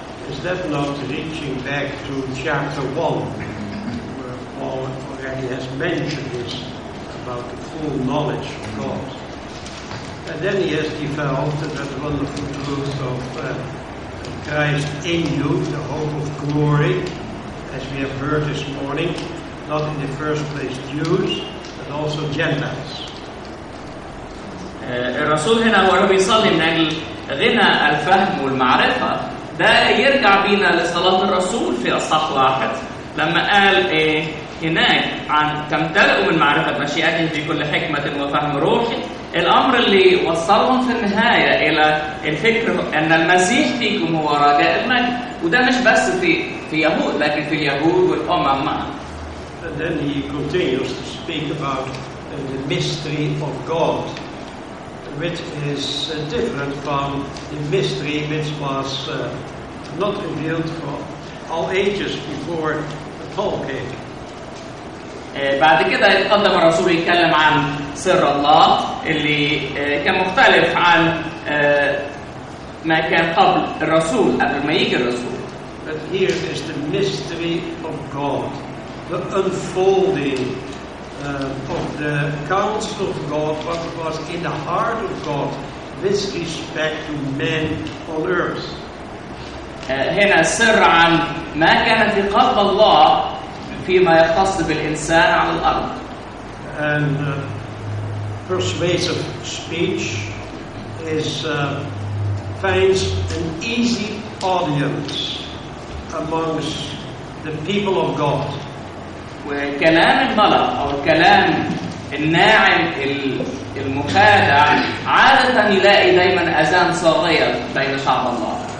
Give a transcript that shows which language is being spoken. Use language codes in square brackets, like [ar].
[en] Is that not reaching back to chapter 1, where Paul already has mentioned this about the full knowledge of God? And then he has developed that wonderful truth of Christ in you, the hope of glory, as we have heard this morning, not in the first place Jews, but also Gentiles. [ar] الرسول هنا وهو بيصلي من أجل غنى الفهم والمعرفة ده يرجع بينا لصلاة الرسول في أصحاح 1 لما قال هناك عن تمتلئ من معرفة مشيئته في كل حكمة وفهم روحي الأمر اللي وصلهم في النهاية إلى الفكر أن المسيح فيكم هو رجاء المجد وده مش بس في يهود لكن في اليهود والأمم معه. [en] And then he continues to speak about the mystery of God, which is different from the mystery which was not revealed for all ages before the Paul came. [ar] بعد كده يتقدم الرسول يتكلم عن سر الله اللي كان مختلف عن ما كان قبل الرسول قبل ما يجي الرسول. [en] But here is the mystery of God, the unfolding of the counsel of God, what was in the heart of God with respect to men on earth. [ar] هنا سر عن ما كان في قلب الله فيما يختص بالإنسان على الأرض. [en] And persuasive speech is finds an easy audience amongst the people of God. [ar] وكلام الملأ أو الكلام الناعم المخادع عادة يلاقي دائما أذان صاغية بين شعب الله.